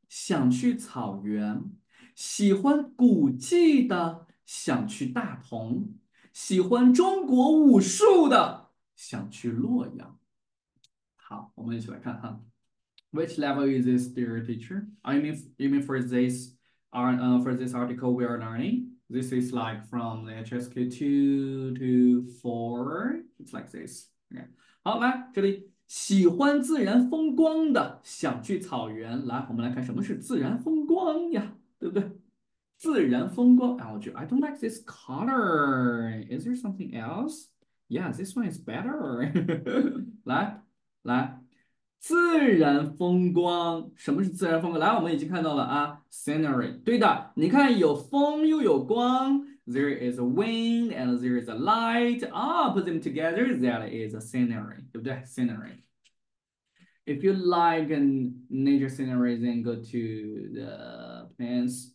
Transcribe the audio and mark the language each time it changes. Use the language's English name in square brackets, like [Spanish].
[Chinese] 想去草原，喜欢古迹的，想去大同，喜欢中国武术的，想去洛阳。好，我们一起来看哈。 [English] Which level is this, dear teacher? You mean for this article we are learning? This is like from the HSK 2 to 4. It's like this. Okay. [Chinese] 好，来，这里。喜欢自然风光的，想去草原。来，我们来看什么是自然风光呀，对不对？自然风光，啊，我觉得 [English] I don't like this color. Is there something else? Yeah, this one is better. [Chinese] 来，自然风光，什么是自然风光？来，我们已经看到了啊，scenery。对的，你看有风又有光。 [English] There is a wind and there is a light. Put them together. That is a scenery. [Chinese] 对不对？ [English] Scenery. If you like nature scenery, then go to the plants.